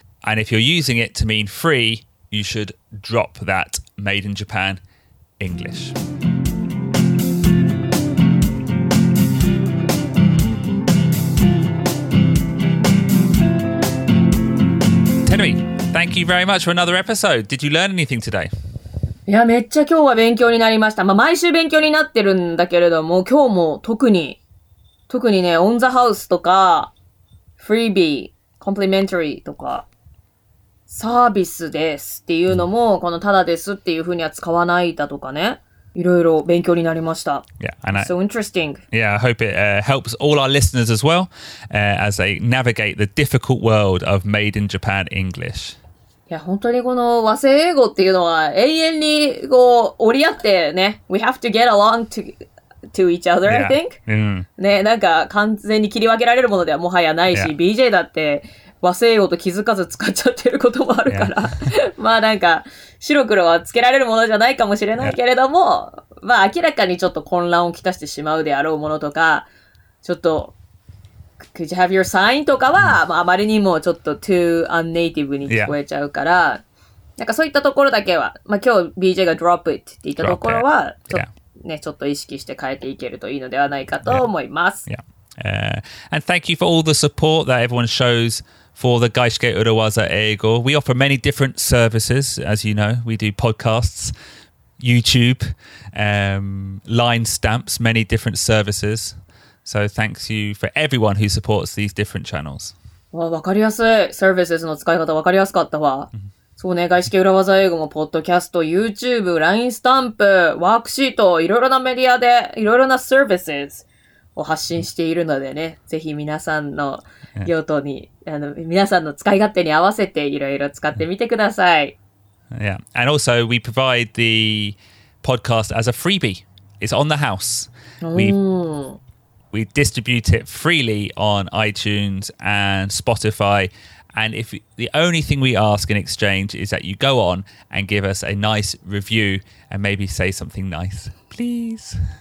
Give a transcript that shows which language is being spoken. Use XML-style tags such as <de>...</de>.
<en>And if you're using it to mean free, you should drop that made in Japan English. Tenumi, thank you very much for another episode. Did you learn anything today?</en> <ja>いや、めっちゃ今日は勉強になりました。まあ、毎週勉強になってるんだけれども、今日も特にね、オンザハウスとか、フリービー、コンプリメンタリーとか、サービスですっていうのも、このただですっていうふうには使わないだとかね、いろいろ勉強になりました。</ja> <en>Yeah, and so interesting. Yeah, I hope it、helps all our listeners as well、as they navigate the difficult world of made in Japan English.</en> <ja>いや、本当にこの和製英語っていうのは永遠にこう折り合ってね、</ja> <en>We have to get along to each other, yeah, I think.、 Mm-hmm.</en> <ja>ね、なんか完全に切り分けられるものではもはやないし、</ja> <en>yeah.</en> <ja>BJ だって和製用と気づかず使っちゃってることもあるから、</ja> <en>yeah.</en> <ja>まあなんか白黒はつけられるものじゃないかもしれないけれども、</ja> <en>yeah.</en> <ja>まあ明らかにちょっと混乱をきたしてしまうであろうものとか、ちょっと</ja> <en>Could you have your sign?</en> <ja>とかは、 mm-hmm. まあ、あまりにもちょっと</ja> <en>too unnative</en> <ja>に聞こえちゃうから、</ja> <en>yeah.</en> <ja>なんかそういったところだけは、まあ今日 BJ が</ja> <en>drop it</en> <ja>って言ったところは、ね、ちょっと意識して変えていけるといいのではないかと思います。</ja> <en>Yeah. Yeah. And thank you for all the support that everyone shows for the Gaishike Urawaza 英語. We offer many different services, as you know. We do podcasts, YouTube, line stamps, many different services. So thanks you for everyone who supports these different channels.</en> <ja>わ、わかりやすい。サービスの使い方わかりやすかったわ。そうね、外資系裏技英語もポッドキャスト、YouTube、LINE スタンプ、ワークシート、いろいろなメディアでいろいろなサービスを発信しているのでね、ぜひ皆さんの用途に、</ja> <en>yeah.</en> <ja>皆さんの使い勝手に合わせていろいろ使ってみてください。</ja> <en>Yeah, and also we provide the podcast as a freebie. It's on the house. We distribute it freely on iTunes and Spotify. And if the only thing we ask in exchange is that you go on and give us a nice review and maybe say something nice, please.</en>